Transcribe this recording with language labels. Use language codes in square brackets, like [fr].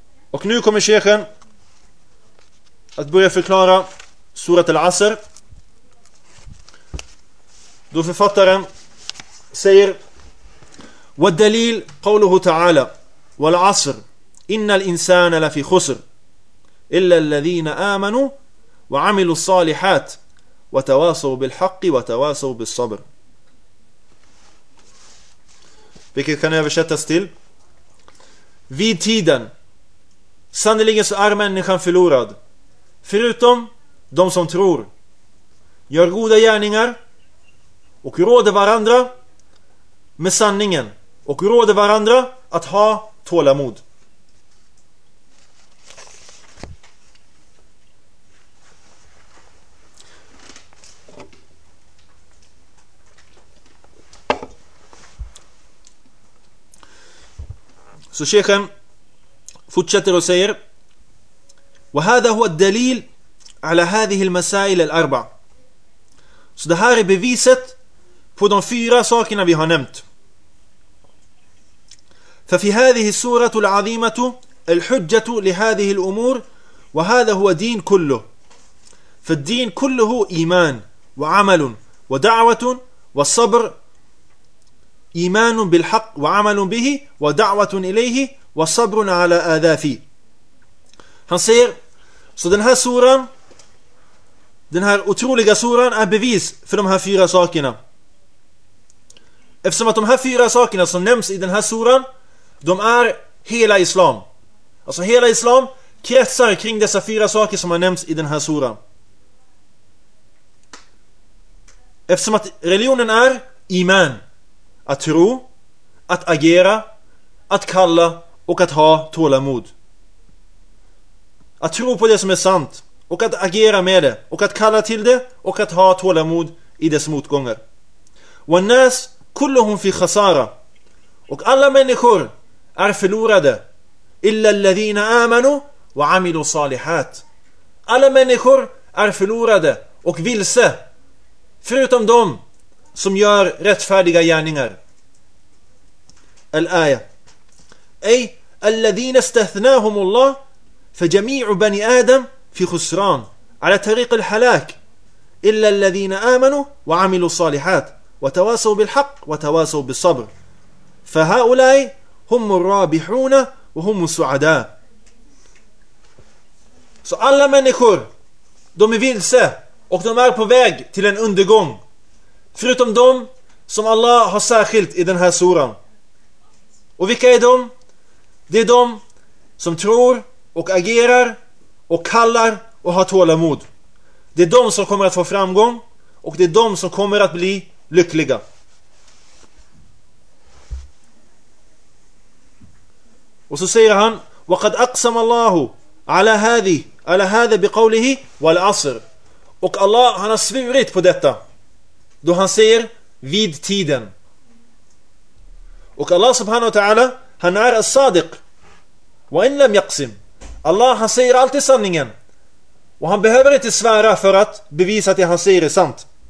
[sv] Och nu kommer Sheikhen att börja förklara surat Al-Asr, då författaren säger: [ar] وَالدَّلِيلِ قَوْلُهُ تَعَالَى وَالْعَصْرِ إِنَّ الْإِنسَانَ لَفِي خُسْرِ إِلَّا الَّذِينَ آمَنُوا وَعَمِلُوا الصَّالِحَاتِ وتواصوا بالحق وتواصوا بالصبر. [sv] Vilket kan översättas till: vid tiden, sannerligen så är människan förlorad, förutom de som tror, gör goda gärningar och råder varandra med sanningen och råder varandra att ha tålamod. Så sheikhen fortsätter och säger: [ar] وهذا هو الدليل على هذه المسائل الأربع. [sv] Så det här är beviset på de fyra sakerna vi har nämnt. [ar] ففي هذه السورة العظيمة الحجة لهذه الأمور وهذا هو دين كله. فالدين كله إيمان وعمل ودعوة والصبر. إيمان بالحق وعمل به ودعوة إليه وصبر على آذافي. [sv] Han säger, så den här suran, den här otroliga suran, är bevis för de här fyra sakerna. Eftersom att de här fyra sakerna som nämns i den här suran, de är hela islam. Alltså hela islam kretsar kring dessa fyra saker som har nämnts i den här suran. Eftersom att religionen är iman, att tro, att agera, att kalla och att ha tålamod. Att tro på det som är sant och att agera med det och att kalla till det och att ha tålamod i dess motgångar. [ar] والناس كلهم في خسارة. [sv] Och alla människor är förlorade. [ar] إلا الذين آمنوا وعملوا الصالحات. [sv] Alla människor är förlorade och vilse, förutom de som gör rättfärdiga gärningar. [ar] الآية أي الذين استثناهم الله فجميع بني آدم في خسران على طريق الحلاك إلا الذين آمنوا وعملوا الصالحات وتواصوا بالحق وتواصوا بالصبر فهؤلاء هم الرابحون وهم السعداء. [sv] Så alla människor, de är vilse och de är på väg till en undergång, förutom de som Allah har särskilt i den här suran. Och vilka är de? Det är de som tror och agerar och kallar och har tålamod. Det är de som kommer att få framgång och det är de som kommer att bli lyckliga. Och så säger han: [ar] وَقَدْ أَقْسَمَ اللَّهُ عَلَى هَذِهِ عَلَى هَذَا بِقَوْلِهِ وَالْعَصْرِ. [sv] Och Allah, han har svurit på detta då han säger vid tiden. Och Allah subhanahu wa ta'ala, han är as-sadiq. [ar] Wa in lam yaqsim. [sv] Allah, han säger alltid sanningen. Och han behöver inte svära för att bevisa att det han säger är sant.